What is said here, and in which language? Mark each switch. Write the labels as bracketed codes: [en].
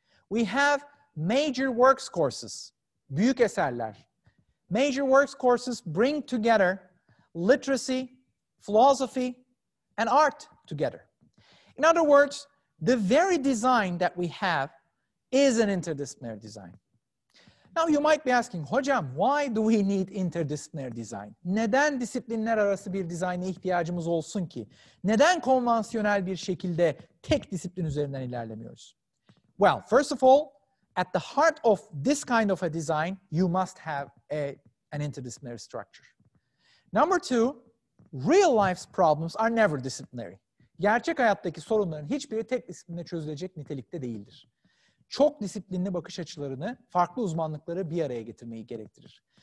[en] We have major works courses, [tr] büyük eserler. [en] Major works courses bring together literacy, philosophy, and art together. In other words, the very design that we have is an interdisciplinary design. Now you might be asking, hocam, why do we need interdisciplinary design? [tr] Neden disiplinler arası bir dizayna ihtiyacımız olsun ki? Neden konvansiyonel bir şekilde tek disiplin üzerinden ilerlemiyoruz? [en] Well, first of all, at the heart of this kind of a design, you must have an interdisciplinary structure. Number two, real life's problems are never disciplinary. [tr] Gerçek hayattaki sorunların hiçbiri tek disiplinle çözülecek nitelikte değildir. Çok disiplinli bakış açılarını, farklı uzmanlıkları bir araya getirmeyi gerektirir.